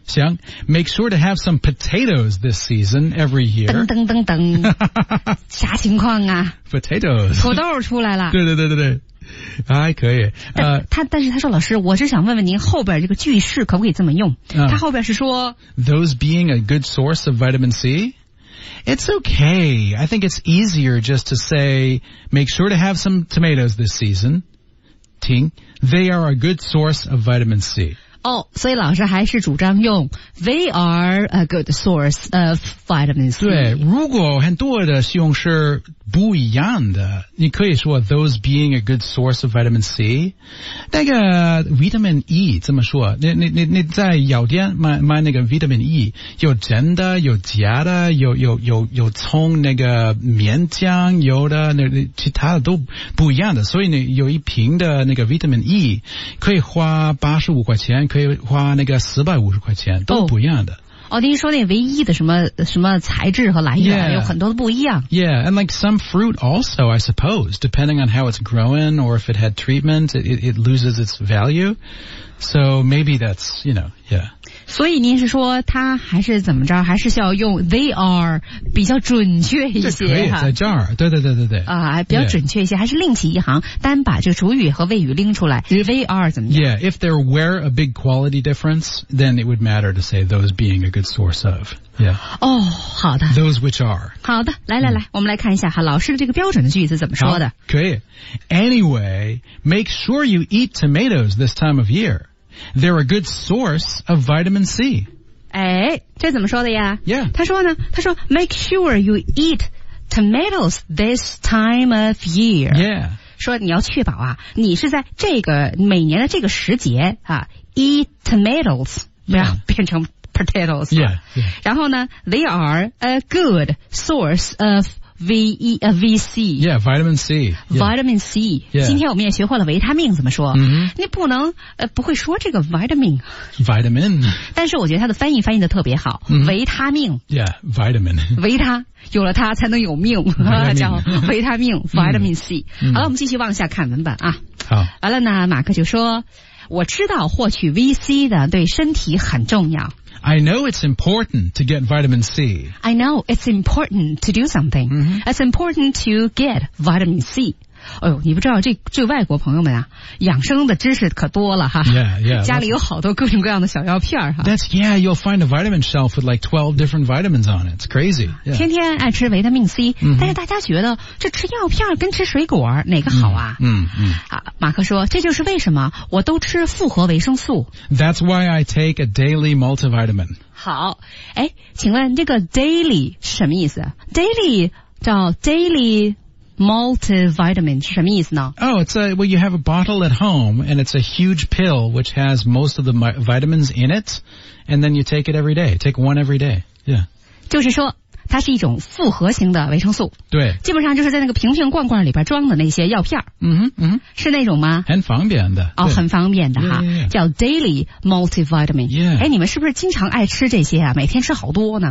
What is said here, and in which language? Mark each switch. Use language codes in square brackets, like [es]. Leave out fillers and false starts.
[en] 行 ,make sure to have some potatoes this season every year. [zh] 噔噔噔噔。啥情况啊 [en] Potatoes. [zh] 土豆出来了。对对对对对。还可以。但是他说老师我是想问问您后边这个句式可不可以这么用、他后边是说 [en] Those being a good source of vitamin C? It's okay. I think it's easier just to say, make sure to have some tomatoes this season. 听 They are a good source of vitamin C. 哦、oh, [zh] 所以老师还是主张用 [en] They are a good source of vitamin C. [zh] 对如果很多的西红柿不一样的你可以说 [en] those being a good source of vitamin C [zh] 那个 vitamin E 怎么说 你在药店 买那个 vitamin E 有真的有假的有葱那个棉浆有的那其他的都不一样的所以你有一瓶的那个 vitamin E 可以花85块钱可以花那个450块钱都不一样的、 [en] oh. [zh] 哦，您说那唯一的什么材质和来源 [en] yeah, [zh] 有很多都不一样。 [en] Yeah, and like some fruit also, I suppose, depending on how it's grown or if it had treatment, it loses its value. So maybe that's, you know, yeah. [zh] 所以您是说它还是怎么着，还是需要用 they are 比较准确一些？可以在这儿，对对对对对。啊，比较准确一些， yeah. 还是另起一行，单把这个主语和谓语拎出来 ， [en] they are [zh] 怎么样 [en] ？Yeah, if there were a big quality difference, then it would matter to say those being. A good source of, yeah. [zh] Oh, 好的 [en] Those which are. [zh] 好的，来来来，我们来看一下哈，老师的这个标准的句子怎么说的？可以。 [en] Anyway, make sure you eat tomatoes this time of year. They're a good source of vitamin C. [zh] 哎，这怎么说的呀 [en] ？Yeah. [zh] 他说呢，他说 [en] make sure you eat tomatoes this time of year. Yeah. [zh] 说你要确保啊，你是在这个每年的这个时节啊 ， [en] eat tomatoes， [zh] 不要变成 potatoes。 [en] Yeah, yeah. [zh] 然后呢 [en] ，they are a good source of VC. Yeah, vitamin C. Vitamin C. Yeah. [zh] 今天我们也学会了维他命怎么说。 [en] Mm-hmm. [zh] 你不能不会说这个 vitamin. [en] Vitamin. [zh] 但是我觉得它的翻译的特别好。 [en] Mm-hmm. [zh] 维他命。 [en] Yeah, vitamin. [zh] 维他。有了它才能有命，叫维他命 vitamin C。 [en] Mm-hmm. [zh] 好了，我们继续往下看文本啊。好。完了呢，马克就说，我知道获取 VC 的对身体很重要。 [en] I know it's important to get vitamin C. I know it's important to do something. Mm-hmm. It's important to get vitamin C. [zh] 哦，你不知道这外国朋友们啊，养生的知识可多了哈。 [en] Yeah, yeah. [zh] 家里有好多各种各样的小药片哈。 [en] That's yeah. You'll find a vitamin shelf with like 12 different vitamins on it. It's crazy. [zh] Yeah. 天天爱吃维他命 C，、 [en] mm-hmm. [zh] 但是大家觉得这吃药片跟吃水果哪个好啊？嗯、mm-hmm. 嗯。啊，马克说，这就是为什么我都吃复合维生素。 [en] That's why I take a daily multivitamin. [zh] 好，哎，请问这个 daily 是什么意思 ？Daily 叫 daily。 Multivitamin 是什么意思呢 [en] Oh, it's a, well, you have a bottle at home, and it's a huge pill which has most of the vitamins in it, and then you take it every day. Take one every day. Yeah. [zh] 就是说它是一种复合型的维生素。对。基本上就是在那个瓶瓶罐罐里边装的那些药片。嗯哼嗯。是那种吗很方便的。哦很方便的哈。 [en] Yeah, yeah, yeah. [zh] 叫 daily multivitamin。 [en] Yeah. [zh] 哎你们是不是经常爱吃这些啊每天吃好多呢